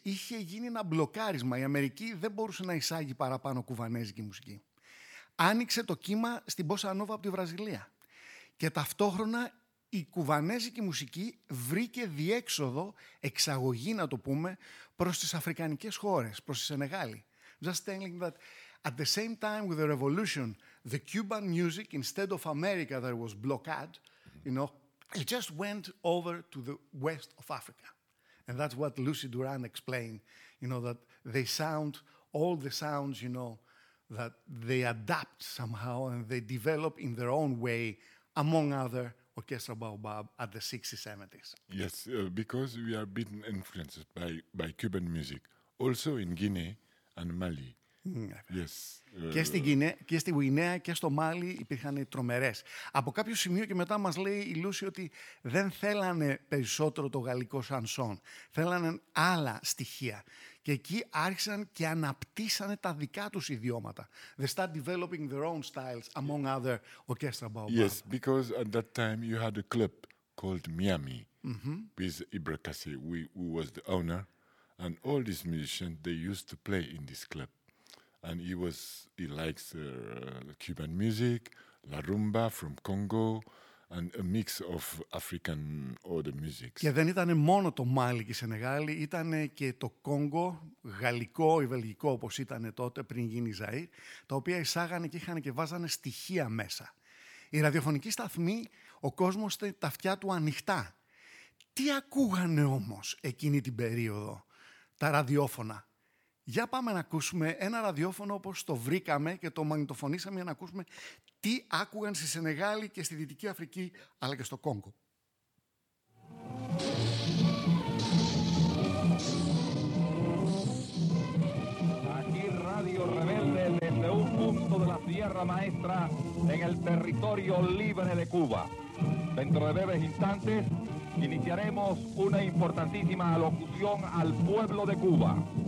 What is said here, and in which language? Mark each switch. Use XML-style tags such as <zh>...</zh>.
<el>Είχε γίνει ένα μπλοκάρισμα. Η Αμερική δεν μπορούσε να εισάγει παραπάνω κουβανέζικη μουσική. Άνοιξε το κύμα στην Bossa Nova από τη Βραζιλία. Και ταυτόχρονα η κουβανέζικη μουσική βρήκε διέξοδο, εξαγωγή να το πούμε, προς τις αφρικανικές χώρες, προς τη Σενεγάλη.</el> <en>Just telling that at the same time with the revolution, the Cuban music, instead of America that was blockade, you know, it just went over to the west of Africa. And that's what Lucy Duran explained, you know, that they sound, all the sounds, you know, that they adapt somehow and they develop in their own way, among other orchestra baobab at the 60s, 70s. Yes, because we are being influenced by Cuban music, also in Guinea and Mali. Yes.</en> <el>Και στην Γουινέα και στο Μάλι υπήρχαν τρομερές. Από κάποιο σημείο και μετά μας λέει η Λούση ότι δεν θέλανε περισσότερο το γαλλικό σανσόν. Θέλανε άλλα στοιχεία. Και εκεί άρχισαν και αναπτύσσανε τα δικά τους ιδιώματα.</el> <en>They start developing their own styles among other orchestra baobab. Yes, because at that time you had a club called Miami with Ibra Kasse, who was the owner. And all these musicians, they used to play in this club. And he likes Cuban music, la rumba from Congo, and a mix of African other music.</en> <el>Και δεν ήταν μόνο το Μάλι και η Σενεγάλη, ήταν και το Κόγκο, γαλλικό ή βελγικό όπως ήταν τότε πριν γίνει Ζαΐρ, τα οποία εισάγανε και είχαν και βάζανε στοιχεία μέσα. Η ραδιοφωνική σταθμή, ο κόσμος τα αυτιά του ανοιχτά. Τι ακούγανε όμως εκείνη την περίοδο τα ραδιόφωνα? Για πάμε να ακούσουμε ένα ραδιόφωνο όπως το βρήκαμε και το μαγνητοφωνήσαμε για να ακούσουμε τι άκουγαν στη Σενεγάλη και στη Δυτική Αφρική αλλά και στο Κόγκο.</el> <es>Aquí Radio Rebelde desde un punto de la Sierra Maestra en el territorio libre de Cuba. Dentro de breves instantes iniciaremos una importantísima alocución al pueblo de Cuba.</es>